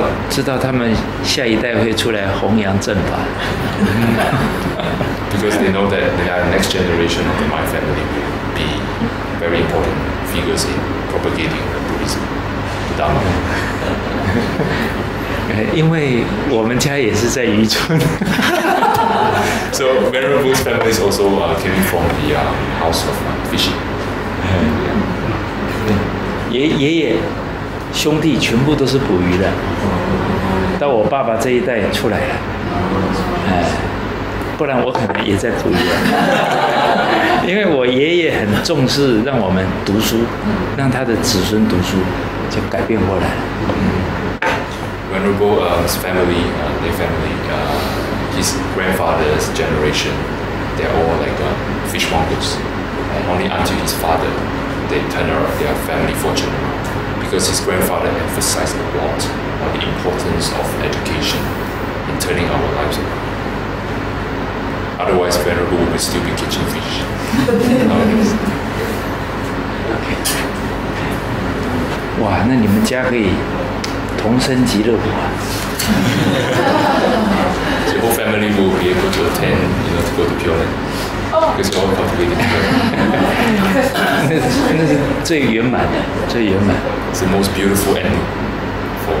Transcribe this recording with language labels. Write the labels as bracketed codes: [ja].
[zh] 知道他们下一代会出来弘扬正法。 [en] Because they know that they are the next generation of my family will be very important figures in propagating the Buddhism, the Dharma. [zh] 因为我们家也是在渔村。 [en] So Venerable's family is also came from the house of fishing. [zh] 爷爷兄弟全部都是捕鱼的，到我爸爸这一代出来了，不然我可能也在捕鱼了。因为我爷爷很重视让我们读书，让他的子孙读书，就改变过来了。 [en] Venerable's family, their family. His grandfather's generation, they're all like fishmongers. Only until his father, they turn around their family fortune. Because his grandfather emphasized a lot on the importance of education in turning our lives around. Otherwise, Venerable would still be catching fish. Wow, [zh] 那你们家可以同生极乐国啊！ [en] The whole family will be able to attend, you know, to go to Pyongyang. Because all of them are together. [zh] 那是最圆满的，最圆满。 [en] It's the most beautiful ending for the